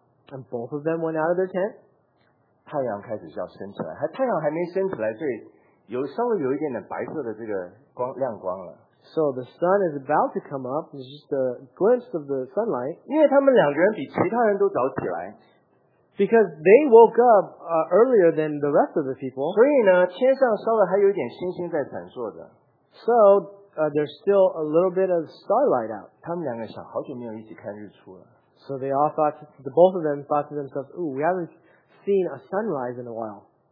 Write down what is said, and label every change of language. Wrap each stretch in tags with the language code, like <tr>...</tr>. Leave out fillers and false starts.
<en>And both of them went out of their tent.</en> <zh>太阳开始要升起来，太阳还没升起来，所以有稍微有一点点白色的这个光亮光了。So</zh> <en>the sun is about to come up. It's just a glimpse of the sunlight.</en> <zh>因为他们两个人比其他人都早起来。</zh> <en>Because they woke up earlier than the rest of the people.</en> <zh>所以呢，天上稍微还有一点星星在闪烁的。</zh> <en>So there's still a little bit of starlight out.</en> <zh>他们两个想，好久没有一起看日出了。So</zh> <en>they all thought, the both of them thought to themselves, "Ooh, we haven't seen a sunrise in a while."</en>